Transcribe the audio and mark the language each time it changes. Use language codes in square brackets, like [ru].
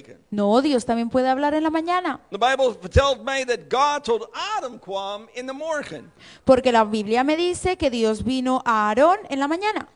[es] No, Dios también puede hablar en la mañana. [en] The Bible tells me that God told Adam come in the morning. [es] Porque la Biblia me dice que Dios vino a Aarón en la mañana.